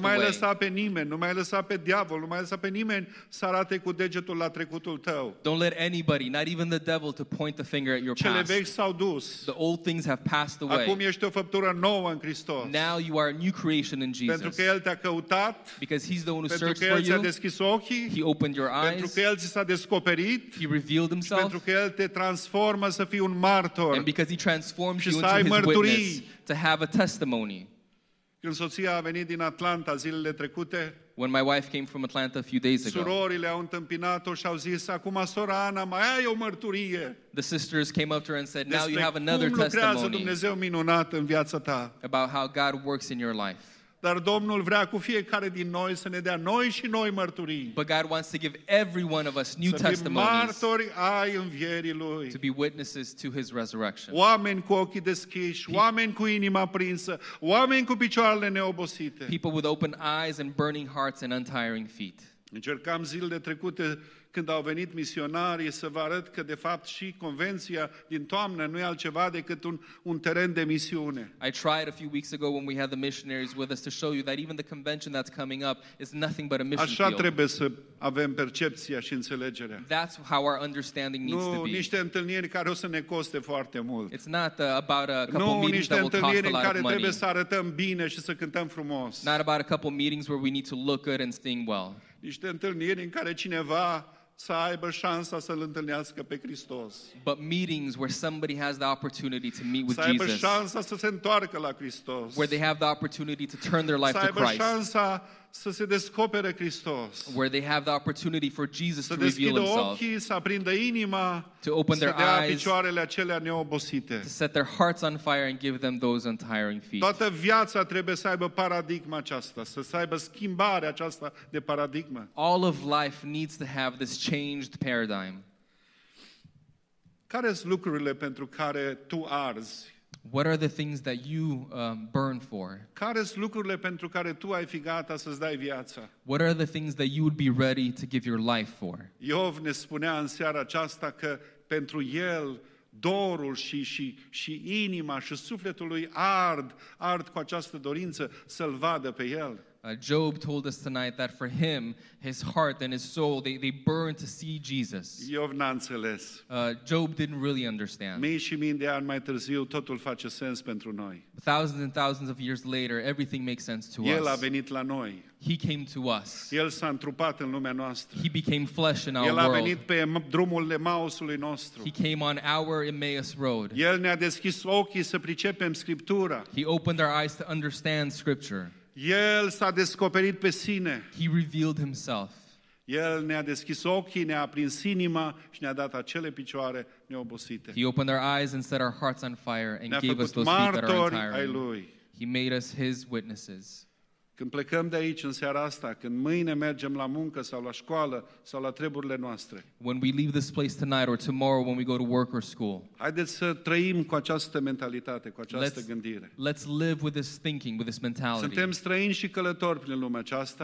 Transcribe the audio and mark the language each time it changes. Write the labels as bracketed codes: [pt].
[ro] Nu mai lăsa pe nimeni, nu mai lăsa pe diavol, nu mai lăsa pe nimeni să arate cu degetul la trecutul tău. [en] Don't let anybody, not even the devil, to point the finger at your past. [ro] Cele vechi s-au dus. [en] The old things have passed away. [ro] Acum ești o făptură nouă în Hristos. [en] Now you are a new creation in Jesus. [ro] Pentru că El te-a căutat. [en] Because he's the one who searched for you. [ro] Pentru că El ți-a deschis ochii. [en] He opened your eyes. [ro] Pentru că El ți s-a descoperit. [en] He revealed himself. [ro] Pentru că El te transformă să fii un martor. [en] And because he transforms you into his [ro] mărturii. [en] Witness. To have a testimony. [ro] Când soția a venit din Atlanta zilele trecute, [en] when my wife came from Atlanta a few days ago, [ro] surorile au întâmpinat-o și au zis, acum sora Ana, mai ai o mărturie. [en] The sisters came up to her and said, now you have another testimony. [ro] Despre cum lucrează Dumnezeu minunat în viața ta. [en] About how God works in your life. [ro] Dar Domnul vrea cu fiecare din noi să ne dea noi și noi mărturii. [en] But God wants to give every one of us new testimonies. [ro] Să fim martori ai învierii Lui. [en] To be witnesses to His resurrection. [ro] Oameni cu ochii deschiși, oameni cu inima prinsă, oameni cu picioarele neobosite. [en] People with open eyes and burning hearts and untiring feet. [ro] Încercam zilele trecute când au venit misionarii să vă arăt că de fapt și convenția din toamnă nu e altceva decât un teren de misiune. [en] I tried a few weeks ago when we had the missionaries with us to show you that even the convention that's coming up is nothing but a mission. [ro] Așa trebuie să avem percepția și înțelegerea. [en] That's how our understanding needs to be. [ro] Nu niște întâlniri care o să ne coste foarte mult. [en] It's not about a couple meetings. [ro] Nu niște întâlniri în care trebuie să arătăm bine și să cântăm frumos. [en] Not about a couple meetings where we need to look good and sing well. [ro] Niște întâlniri în care cineva să aibă șansa să-L întâlnească pe Hristos. [en] But meetings where somebody has the opportunity to meet with [ro] Jesus. Să aibă [en] Jesus, [ro] șansa să se întoarcă la Hristos. [en] Where they have the opportunity to turn their life [ro] să [en] to Christ. [ro] Șansa să se descopere Hristos. [en] Where they have the opportunity for Jesus [ro] să [en] to reveal himself. [ro] Să deschidă ochii, să aprindă inima, [en] to open their [ro] să dea [en] eyes, [ro] picioarele acelea neobosite. [en] To set their hearts on fire and give them those untiring feet. [ro] Toată viața trebuie să aibă paradigma aceasta, să aibă schimbarea aceasta de paradigmă. [en] All of life needs to have this changed paradigm. [ro] Care sunt lucrurile pentru care tu arzi? [en] What are the things that you burn for? [ro] Care sunt lucrurile pentru care tu ai fi gata să-ți dai viața? [en] What are the things that you would be ready to give your life for? [ro] Iov ne spunea în seara aceasta că pentru el dorul și inima și sufletul lui ard cu această dorință să-l vadă pe el. [en] Job told us tonight that for him, his heart and his soul, they burn to see Jesus. [ro] Iov n-a înțeles. [en] Job didn't really understand. [ro] Mii și mii de ani mai târziu, totul face sens pentru noi. [en] Thousands and thousands of years later, everything makes sense to us. [ro] El a venit la noi. [en] He came to us. [ro] El s-a întrupat în lumea noastră. [en] He became flesh in our world. [ro] El a venit pe drumul Emausului nostru. [en] He came on our Emmaus road. [ro] El ne-a deschis ochii să pricepem Scriptura. [en] He opened our eyes to understand Scripture. [ro] El s-a descoperit pe sine. [en] He revealed himself. [ro] El ne-a deschis ochii, ne-a aprins inima și ne-a dat acele picioare neobosite. [en] He opened our eyes and set our hearts on fire and [ro] ne-a [en] gave us those feet that are untiring. He made us his witnesses. [ro] Când plecăm de aici în seara asta, când mâine mergem la muncă sau la școală sau la treburile noastre. [en] When we leave this place tonight or tomorrow when we go to work or school. [ro] Haideți să trăim cu această mentalitate, cu această gândire. [en] Let's live with this thinking, with this mentality. [ro] Suntem străini și călători prin lumea aceasta.